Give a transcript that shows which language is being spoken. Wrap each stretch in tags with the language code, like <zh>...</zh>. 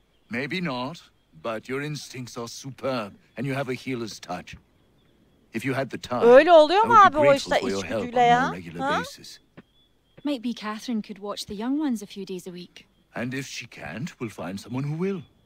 <en>Maybe not, but your instincts are superb, and you have a healer's touch. If you had the time,</en> <tr>öyle oluyor mu abi o işte içgüdüyle ya?</tr> <en>On a regular basis. Maybe Catherine could watch the young ones a few days a week. And if she can't, we'll find someone who will.</en>